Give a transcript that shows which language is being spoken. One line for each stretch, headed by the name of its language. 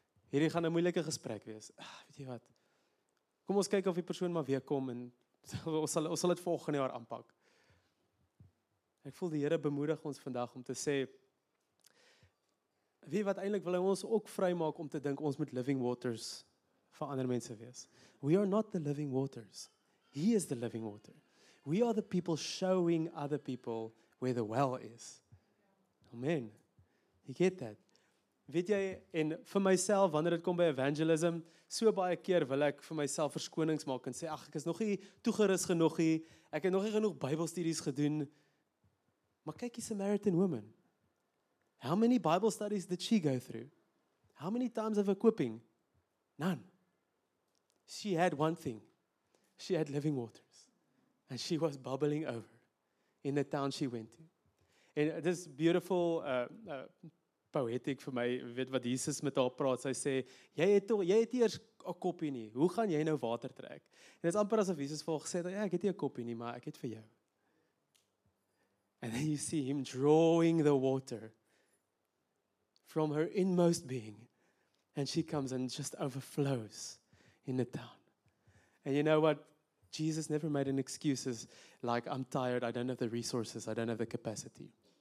Afrikaans: Hierdie gaan 'n moeilike gesprek wees. Ach, weet jy wat? Kom ons kyk of die persoon maar weer kom en ons sal dit volgende jaar aanpak. Ek voel die Here bemoedig ons vandag om te sê, weet wat, eintlik wil hy ons ook vrymaak om te dink ons moet living waters vir ander mense wees.
English: We are not the living waters. He is the living water. We are the people showing other people where the well is.
Afrikaans: Amen.
English: You get that?
Afrikaans: Weet jy, en vir myself, wanneer dit kom by evangelism, so baie keer wil ek vir myself verskonings maak en sê, ach, ek is nog nie toegerus genoeg nie, ek het nog nie genoeg Bybelstudies gedoen. Maar kyk die Samaritan woman.
English: How many Bible studies did she go through? How many times of equipping? None. She had one thing. She had living waters. And she was bubbling over in the town she went to. And this beautiful poetic for my,
Afrikaans: weet wat Jesus met haar praat, sy sê, jy het eers 'n koppie nie, hoe gaan jy nou water trek? En dit is amper asof Jesus vir haar gesê het, ja, ek het nie 'n koppie nie, maar ek het vir jou.
English: And then you see him drawing the water from her inmost being, and she comes and just overflows in the town. And you know what? Jesus never made an excuse like, I'm tired, I don't have the resources, I don't have the capacity.